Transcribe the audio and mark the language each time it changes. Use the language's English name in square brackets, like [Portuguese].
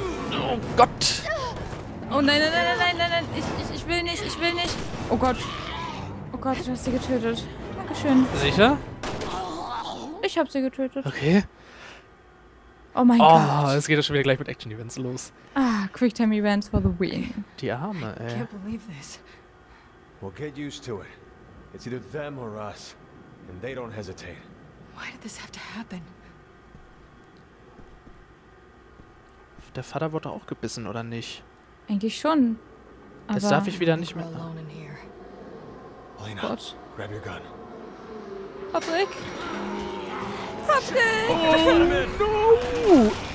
[German] Oh Gott. Oh nein. Ich will nicht. Oh Gott. Oh Gott, du hast sie getötet. Dankeschön. Sicher? Ich hab sie getötet. Okay. Oh mein Gott. Oh, es geht ja schon wieder gleich mit Action-Events los. [English] Ah, Quick-Time-Events for the win. [German] Die Arme, ey. [English] I can't believe this. Well, get used to it. It's either them or us. And they don't hesitate. Why did this have to happen? [German] Der Vater wurde auch gebissen, oder nicht? Eigentlich schon. Aber das darf ich wieder nicht mehr. Oh Gott. [English] Grab your gun. Patrick? Patrick! Oh, no!